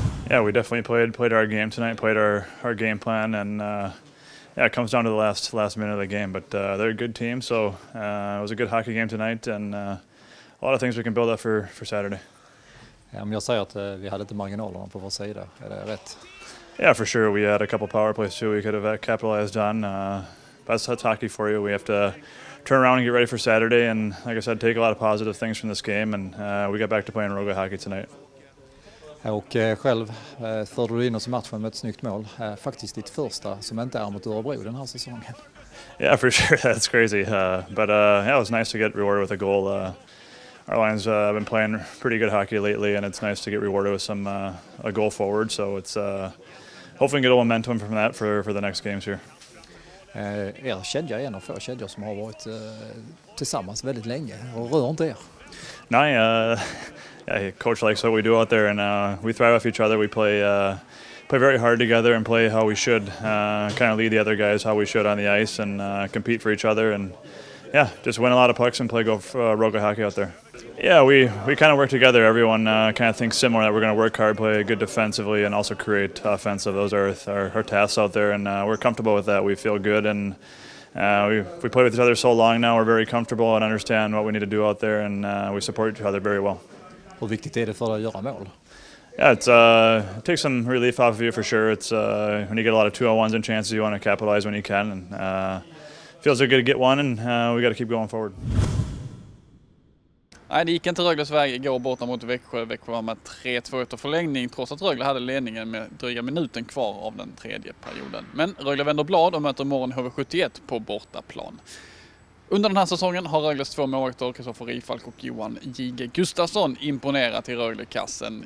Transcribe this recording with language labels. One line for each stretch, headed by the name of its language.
English: Yeah, we definitely played our game tonight, played our game plan, and yeah, it comes down to the last minute of the game, but they're a good team, so it was a good hockey game tonight, and a lot of things we can build up for Saturday.
Swedish: Ja, men jag säger att vi hade lite marginaler på vår sida, är det rätt?
English: Yeah, for sure, we had a couple power plays too we could have capitalized on. But that's hockey for you. We have to turn around and get ready for Saturday, and like I said, take a lot of positive things from this game, and we got back to playing Roga hockey tonight.
Swedish: Och själv förde du in oss i matchen med ett snyggt mål. Faktiskt ditt första som inte är mot Örebro den här säsongen.
English: Yeah, for sure. That's crazy. But yeah, it was nice to get rewarded with a goal. Our lines have been playing pretty good hockey lately, and it's nice to get rewarded with some a goal forward. So it's hopefully get a momentum from that for the next games here.
Swedish: Er kedja är en av få kedjor som har varit tillsammans väldigt länge och rör inte er.
English: Nej, yeah, coach likes what we do out there, and we thrive off each other. We play very hard together and play how we should. Kind of lead the other guys how we should on the ice and compete for each other. And yeah, just win a lot of pucks and play Roga hockey out there. Yeah, we kind of work together. Everyone kind of thinks similar that we're going to work hard, play good defensively, and also create offensive. Those are our tasks out there, and we're comfortable with that. We feel good, and we play with each other so long now. We're very comfortable and understand what we need to do out there, and we support each other very well.
Swedish: Hur viktigt är det för att göra mål?
English: Yeah, it's, it takes some relief off of you for sure. It's when you get a lot of two-on-ones and chances, you want to capitalize when you can. And feels good to get one, and we got to keep going forward.
Swedish: Nej, det gick inte Rögles väg igår borta mot Växjö. Växjö var med 3-2 efter förlängning trots att Rögle hade ledningen med dryga minuten kvar av den tredje perioden. Men Rögle vänder blad och möter imorgon HV71 på bortaplan. Under den här säsongen har Rögles två målvakter, Kristoffer Rifalk och Johan Jige Gustafsson, imponerat i Röglekassen.